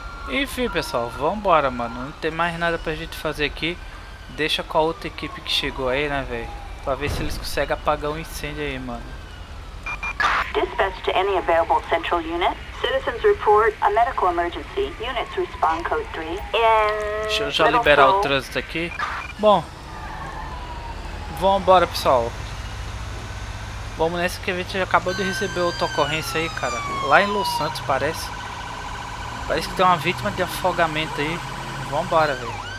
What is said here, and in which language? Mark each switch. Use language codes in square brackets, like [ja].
[pt] Enfim, pessoal, vambora, mano. Não tem mais nada pra gente fazer aqui. Deixa com a outra equipe que chegou aí, né, velho? Pra ver se eles conseguem apagar o incêndio aí, mano. [en] Dispatch to any available central unit. Citizens report a medical emergency. Units respond code 3. [pt] Deixa eu já liberar o trânsito aqui. Bom, vambora, pessoal. Vamos nessa que a gente acabou de receber outra ocorrência aí, cara. Lá em Los Santos, parece. Parece que tem uma vítima de afogamento aí. Vambora, velho.